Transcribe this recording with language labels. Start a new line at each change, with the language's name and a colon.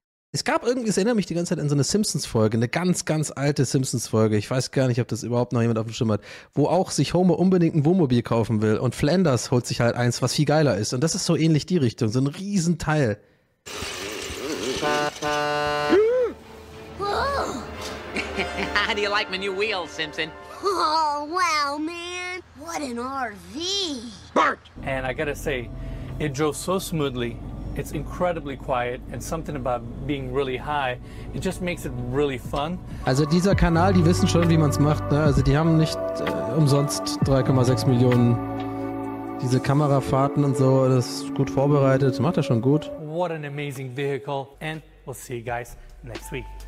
German: Es gab irgendwie, ich erinnere mich die ganze Zeit an so eine Simpsons-Folge, eine ganz, ganz alte Simpsons-Folge. Ich weiß gar nicht, ob das überhaupt noch jemand auf dem Schirm hat. Wo auch sich Homer unbedingt ein Wohnmobil kaufen will und Flanders holt sich halt eins, was viel geiler ist. Und das ist so ähnlich die Richtung, so ein Riesenteil.
English: How do you like my new wheels, Simpson? Oh, wow, man. What an RV. Bart! And I gotta say... It drove so smoothly, it's incredibly quiet, and something about being really high, it just makes it really fun.
German: Also dieser Kanal, die wissen schon, wie man es macht, ne? Also die haben nicht umsonst 3,6 Millionen diese Kamerafahrten und so, das ist gut vorbereitet, macht er schon gut.
English: What an amazing vehicle, and we'll see you guys next week.